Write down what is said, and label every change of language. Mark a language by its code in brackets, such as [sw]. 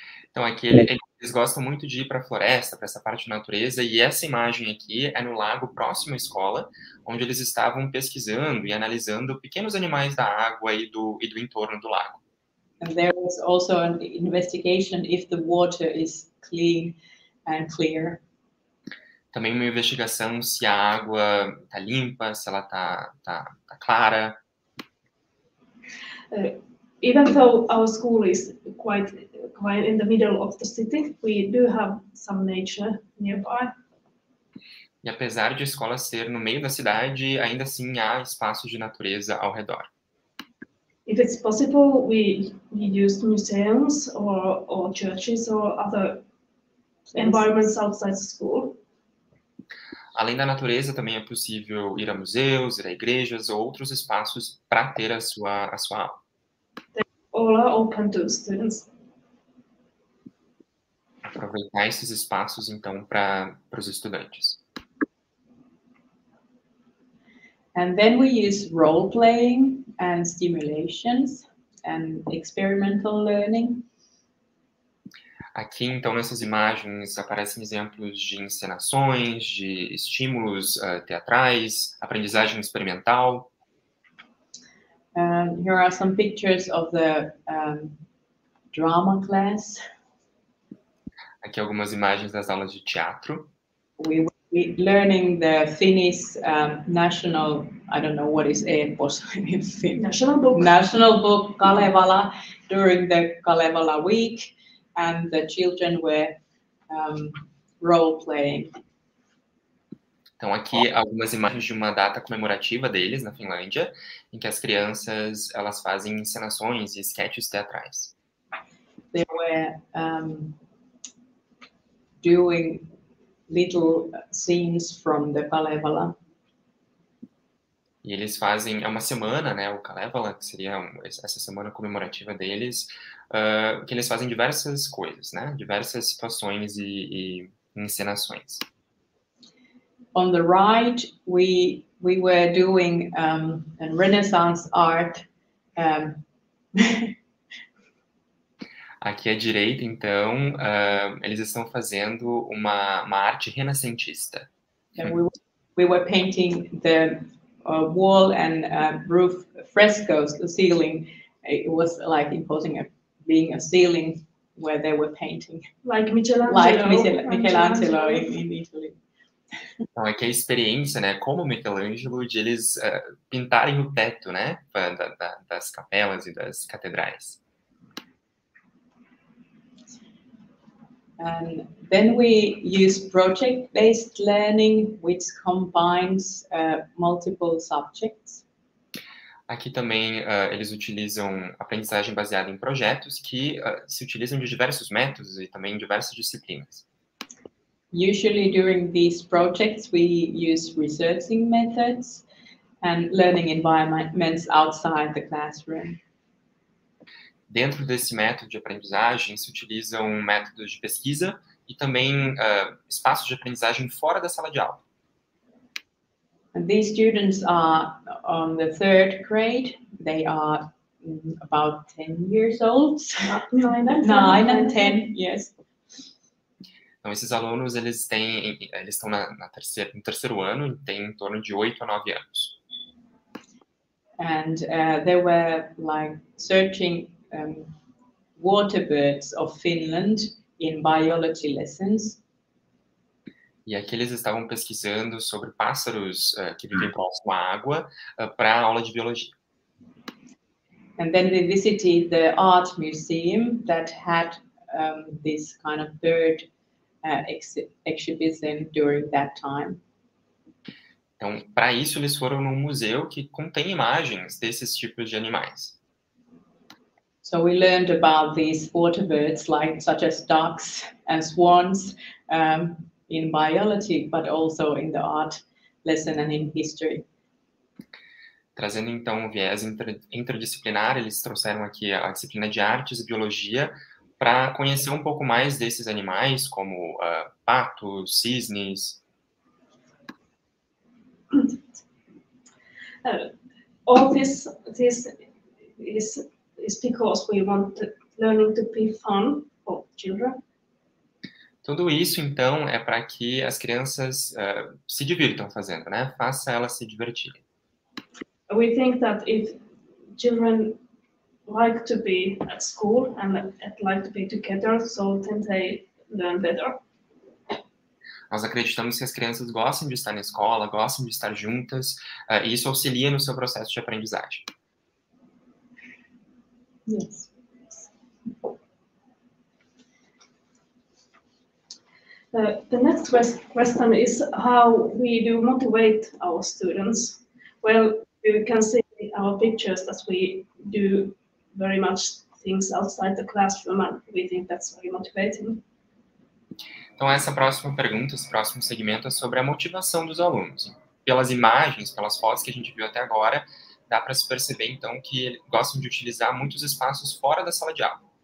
[pt] Então aqui eles gostam muito de ir para a floresta, para essa parte da natureza, e essa imagem aqui é no lago próximo à escola, onde eles estavam pesquisando e analisando pequenos animais da água e do entorno do lago. [en] And there was also an investigation if the water is clean and clear. [pt] Também uma investigação se a água está limpa, se ela tá clara. [en] Even though our school is quite in the middle of the city, we do have some nature nearby. [pt] E apesar de a escola ser no meio da cidade, ainda assim há espaços de natureza ao redor. [en] If it's possible, we use museums or churches or other environments outside the school. [pt] Além da natureza, também é possível ir a museus, ir a igrejas ou outros espaços para ter a sua aula. [en] Aula open to students. [pt] Aproveitar esses espaços, então, para os estudantes. [en] And then we use role-playing and stimulations and experimental learning. [pt] Aqui, então, nessas imagens, aparecem exemplos de encenações, de estímulos teatrais, aprendizagem experimental. [en] Here are some pictures of the drama class. [pt] Aqui algumas imagens das aulas de teatro. [en] We were learning the Finnish national, I don't know what is it, possibly in Finnish. National book, Kalevala, during the Kalevala week, and the children were role-playing. [pt] Então, aqui algumas imagens de uma data comemorativa deles na Finlândia, em que as crianças elas fazem encenações e sketches teatrais. [en] They were doing little scenes from the Kalevala. [pt] E eles fazem, é uma semana, né, o Kalevala, que seria essa semana comemorativa deles, que eles fazem diversas coisas, né, diversas situações e encenações. [en] On the right, we were doing a Renaissance art. [pt] Aqui à direita, então, eles estão fazendo uma arte renascentista. [en] And we were painting the wall and roof frescoes, the ceiling. It was like imposing being a ceiling where they were painting. Like Michelangelo. Michelangelo in Italy. [pt] Então, aqui é a experiência, né, como Michelangelo, de eles pintarem o teto, né, das capelas e das catedrais. [en] And then we use project-based learning, which combines multiple subjects. [pt] Aqui também eles utilizam aprendizagem baseada em projetos que se utilizam de diversos métodos e também diversas disciplinas. [en] Usually during these projects, we use researching methods and learning environments outside the classroom. [pt] Dentro desse método de aprendizagem, se utilizam métodos de pesquisa e também espaços de aprendizagem fora da sala de aula. [en] These students are on the third grade. They are about 10 years old. Nine and 10, yes. [pt] Então, esses alunos, eles estão no terceiro ano, e têm em torno de 8 a 9 anos. [en] And they were like searching water birds of Finland in biology lessons. [pt] E aqui eles estavam pesquisando sobre pássaros que vivem próximo à água para a aula de biologia. [en] And then they visited the art museum that had this kind of bird exhibition during that time. [pt] Então, para isso, eles foram num museu que contém imagens desses tipos de animais. [en] So we learned about these water birds, like such as ducks and swans, in biology, but also in the art lesson and in history. [pt] Trazendo então o viés interdisciplinar, eles trouxeram aqui a disciplina de artes e biologia para conhecer um pouco mais desses animais, como patos, cisnes. [en] All this is because we want learning to be fun for children. [pt] Tudo isso, então, é para que as crianças se divirtam fazendo, né? Faça elas se divertirem. [en] We think that if children like to be at school and like to be together, so then they learn better. [pt] Nós acreditamos que as crianças gostam de estar na escola, gostam de estar juntas, e isso auxilia no seu processo de aprendizagem. [en] Yes. The next question is how we do motivate our students. Well, you can see in our pictures that we do very much things outside the classroom, and we think that's very motivating. [pt] Então, essa próxima pergunta, esse próximo segmento é sobre a motivação dos alunos. Pelas imagens, pelas fotos que a gente viu até agora, dá para se perceber, então, que eles gostam de utilizar muitos espaços fora da sala de aula.